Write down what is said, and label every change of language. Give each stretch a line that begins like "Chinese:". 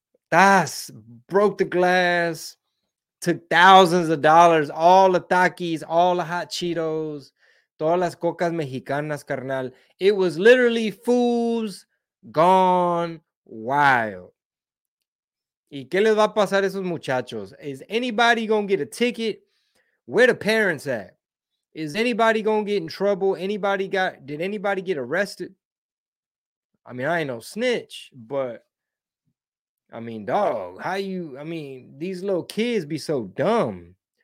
English: That's broke the glass. Took thousands of dollars, all the Takis, all the hot Cheetos,
Spanish: todas las cocas mexicanas, carnal.
English: It was literally fools gone wild.
Spanish: ¿Y qué les va a pasar a esos muchachos?
English: Is anybody going to get a ticket? Where the parents at? Is anybody going to get in trouble? Did anybody get arrested? I mean, I ain't no snitch, but I mean, dog, these little kids be so dumb.